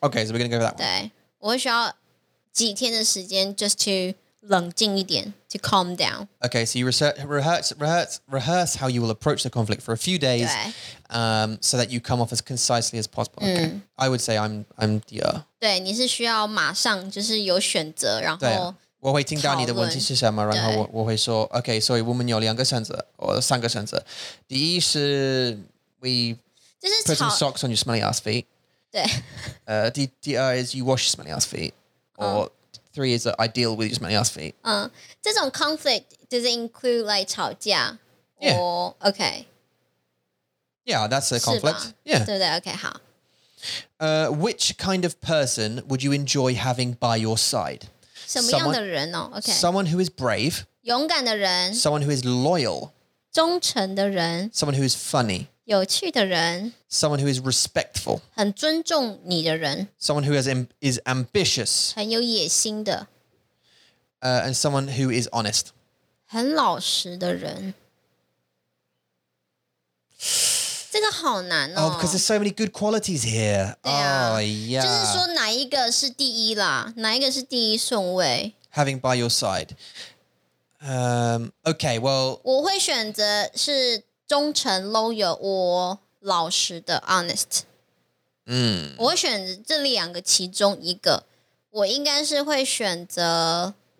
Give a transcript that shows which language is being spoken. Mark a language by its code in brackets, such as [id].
[en] Okay, so we're gonna go for that one. [zh] 对, 我会需要几天的时间 [en] just to [zh] 冷静一点, [en] to calm down. Okay, so you rehearse how you will approach the conflict for a few days so that you come off as concisely as possible. Okay. I would say I'm the [zh] 对,你是需要马上就是有选择, 然后我会听到你的问题是什么, 然后我会说, okay, 所以我们有两个选择, 三个选择, 第一是, [en] put some socks on your smelly ass feet, [zh] 对, 第二 [en] is you wash your smelly ass feet, or three is I deal with your smelly ass feet. [zh] 这种 [en] conflict, does it include like [zh] 吵架? [en] Yeah. Or, okay. Yeah, that's a conflict. [zh] 是吧? [en] Yeah. [zh] 对不对?Okay, 好。 [en] Which kind of person would you enjoy having by your side? Someone who is brave. [zh] 勇敢的人, [en] someone who is loyal. [zh] 忠诚的人, [en] someone who is funny. [zh] 有趣的人, [en] someone who is respectful. [zh] 很尊重你的人, [en] someone who is ambitious. [zh] 很有野心的, [en] and someone who is honest. [zh] 很老实的人. 这个好难哦。 [en] Oh, because there's so many good qualities here. [zh] 对啊, [en] oh, yeah. [zh] 就是说哪一个是第一啦, 哪一个是第一顺位? [en] Having by your side. Okay, well. [zh] 我会选择是忠诚, loyal, or 老实的, honest. 我会选择这两个其中一个, 我应该是会选择...